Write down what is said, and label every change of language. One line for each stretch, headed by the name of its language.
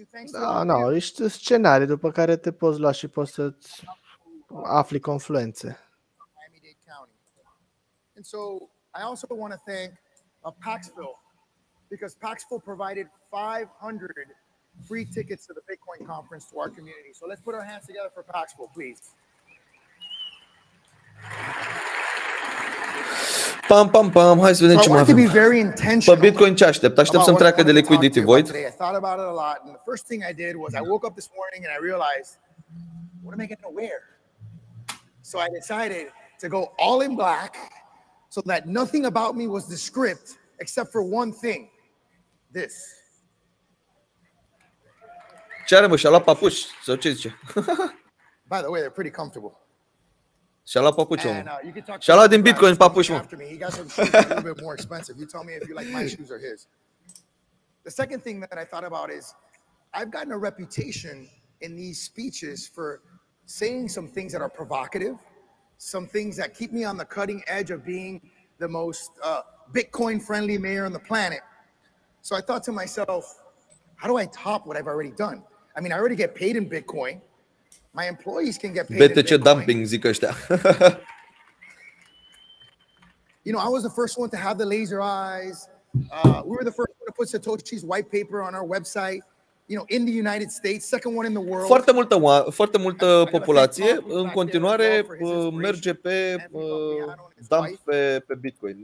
Romanian: Da, no, ești scenarii după care te poți lua și poți să afli confluențe.
English: And so I also want to thank Paxville because Paxville provided 500 free tickets to the Bitcoin conference to our community. So let's put our hands together for Paxville, please.
Romanian: Pam, pam, pam, hai să vedem ce mai avem. Pe Bitcoin ce aștept? Aștept să-mi treacă de Liquidity Void.
English: I thought about it a lot and the first thing I did was I woke up this morning and I realized, what am I getting to wear? So I decided to go all in black so that nothing about me was the script except for one thing. This.
Romanian: Ce are mă, și-a luat papuși? Sau ce zice?
English: By the way, they're pretty comfortable.
Romanian: Și-a luat papuci, omul. Și-a luat din Bitcoin papuci, mă.
English: The second thing that I thought about is I've gotten a reputation in these speeches for saying some things that are provocative, some things that keep me on the cutting edge of being the most Bitcoin friendly mayor on the planet. So I thought to myself, how do I top what I've already done? I mean, I already get paid in Bitcoin. My employees can get paid.
Romanian: BTC dumping, zic ăștia.
English: You know, I was the first one to have the laser eyes. We were the first one to put Satoshi's white paper on our website. You know, in the United States, second one in the world.
Romanian: Foarte multă, foarte multă populație în continuare merge pe dump pe Bitcoin.